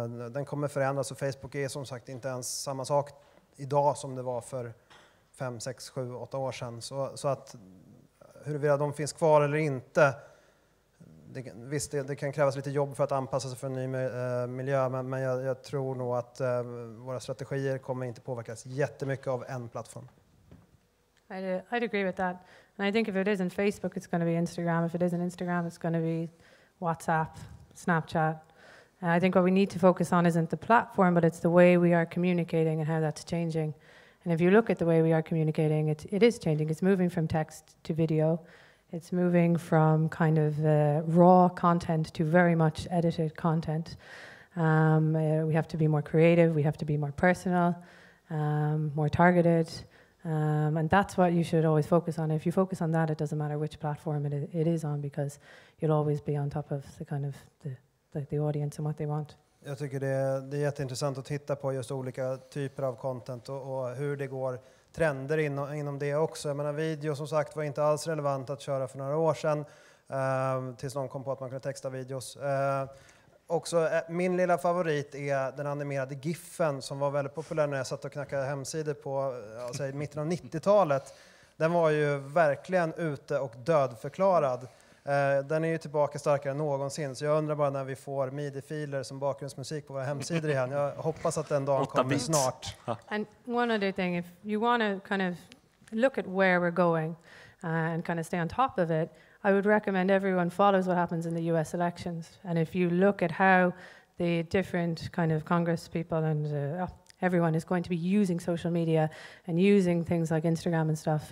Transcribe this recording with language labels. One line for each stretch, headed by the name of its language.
Swedish: Den kommer förändras, och Facebook är som sagt inte ens samma sak idag som det var för 5, 6, 7, 8 år sedan. Så att huruvida de finns kvar eller inte, det kan krävas lite jobb för att anpassa sig för en ny miljö. Men jag tror nog att våra strategier kommer inte påverkas jättemycket av en plattform.
English: I'd agree with that. And I think if it isn't Facebook, it's going to be Instagram. If it isn't Instagram, it's going to be WhatsApp, Snapchat. I think what we need to focus on isn't the platform, but it's the way we are communicating and how that's changing. And if you look at the way we are communicating, it is changing. It's moving from text to video. It's moving from kind of raw content to very much edited content. We have to be more creative. We have to be more personal, more targeted. And that's what you should always focus on. If you focus on that, it doesn't matter which platform it is on, because you'll always be on top of the kind of the audience and what they want.
Swedish: Jag tycker det är jätteintressant att titta på just olika typer av content och hur det går, trender inom det också. Jag menar, video som sagt var inte alls relevant att köra för några år sedan, tills någon kom på att man kunde texta videos. Också min lilla favorit är den animerade GIFen, som var väldigt populär när jag satt och knackade hemsidor på alltså, i mitten av 90-talet. Den var ju verkligen ute och dödförklarad. Den är ju tillbaka starkare än någonsin, så jag undrar bara när vi får midi-filer som bakgrundsmusik på våra hemsidor igen. Jag hoppas att den dagen kommer snart.
English: And one other thing, if you want to kind of look at where we're going and kind of stay on top of it, I would recommend everyone follows what happens in the US elections. And if you look at how the different kind of Congress people and everyone is going to be using social media and using things like Instagram and stuff.